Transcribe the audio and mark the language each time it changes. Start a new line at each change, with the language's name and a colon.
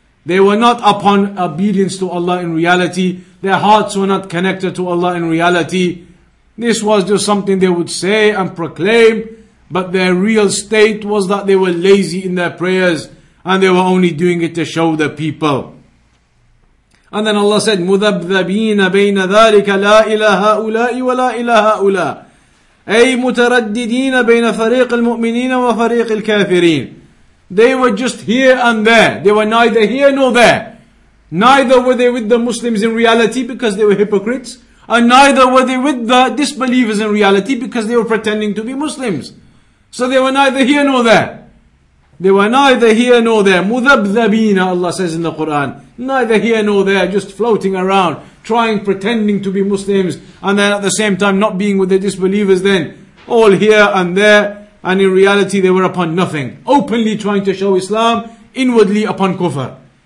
English: They were not upon obedience to Allah in reality. Their hearts were not connected to Allah in reality. This was just something they would say and proclaim, but their real state was that they were lazy in their prayers and they were only doing it to show the people. And then Allah said,
Arabic: مُذَبْذَبِينَ بَيْنَ ذَلِكَ لَا إِلَى هَؤُلَاءِ وَلَا إِلَى هَؤُلَاءِ أي مترددين بين فريق المؤمنين وفريق الكافرين.
English: They were just here and there. They were neither here nor there. Neither were they with the Muslims in reality because they were hypocrites, and neither were they with the disbelievers in reality because they were pretending to be Muslims. So they were neither here nor there. They were neither here nor there. مذبذبين, Allah says in the Quran, neither here nor there, just floating around, trying, pretending to be Muslims, and then at the same time not being with the disbelievers, then all here and there, and in reality they were upon nothing, openly trying to show Islam, inwardly upon kufr.